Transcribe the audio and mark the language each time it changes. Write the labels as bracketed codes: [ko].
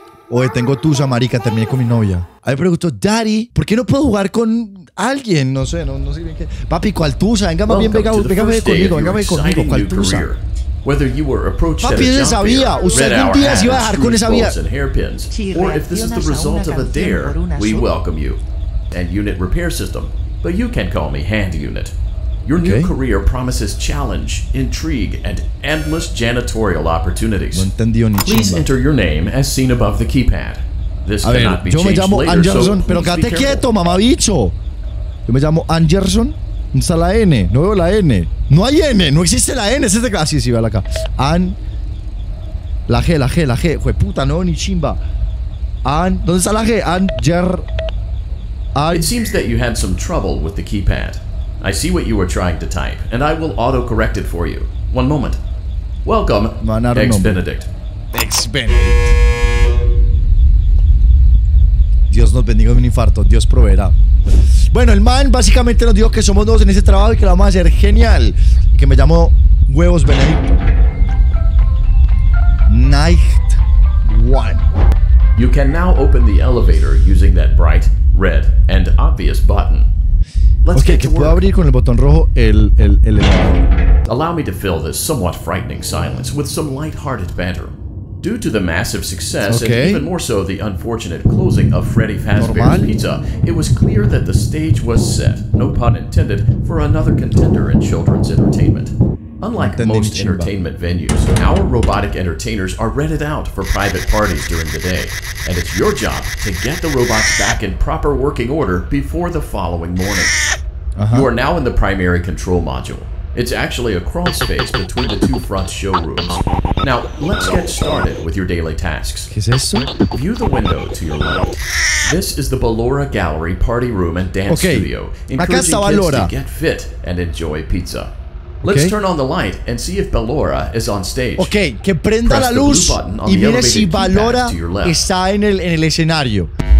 [es] Oye, tengo tusa, marica, terminé con mi novia. A mí me preguntó, Daddy, ¿por qué no puedo jugar con alguien? No sé, no sé bien qué. Papi, ¿cuál tusa? Venga, más bien, venga conmigo, ¿cuál tusa? [en] Whether you were approached [es] Papi, ¿usted sabía? ¿Usted algún día se iba a dejar con esa vía? [en] Or if this is the result of a dare, we welcome you. And unit repair system, but you can call me hand unit. Your new career promises challenge, intrigue, and endless janitorial opportunities. [es] No entendió ni chimba. [en] Please enter your name as seen above the keypad. This cannot be changed later, so please be careful. [es] Yo me llamo Anderson, pero quédate quieto, mamabicho. Yo me llamo Anderson. ¿Dónde está la N? No veo la N. No hay N. No existe la N. Es este caso. Sí, vale acá. La G. Jueputa, no ni chimba. ¿Dónde está la G? [en] It seems that you had some trouble with the keypad. I see what you were trying to type, and I will auto-correct it for you. One moment. Welcome, Ex-Benedict. Ex-Benedict. [es] Dios nos bendiga de un infarto. Dios proveerá. Bueno, el man básicamente nos dijo que somos nuevos en ese trabajo y que lo vamos a hacer genial. Y que me llamo Huevos Benedict. [en] Night One. You can now open the elevator using that bright, red, and obvious button. Let's okay, [es] que puedo abrir con el botón rojo el elevador. [en] Allow me to fill this somewhat frightening silence with some light-hearted banter. Due to the massive success and even more so the unfortunate closing of Freddy Fazbear's Pizza, it was clear that the stage was set, no pun intended, for another contender in children's entertainment. Unlike most entertainment venues, our robotic entertainers are rented out for private parties during the day. And it's your job to get the robots back in proper working order before the following morning. Uh-huh. You are now in the primary control module. It's actually a crawl space between the two front showrooms. Now, let's get started with your daily tasks. Is this so? View the window to your left. This is the Ballora Gallery party room and dance studio, encouraging kids to get fit and enjoy pizza. Let's turn on the light and see if Ballora is on stage. [es] Okay, que prenda la luz y mire si Ballora está en el escenario.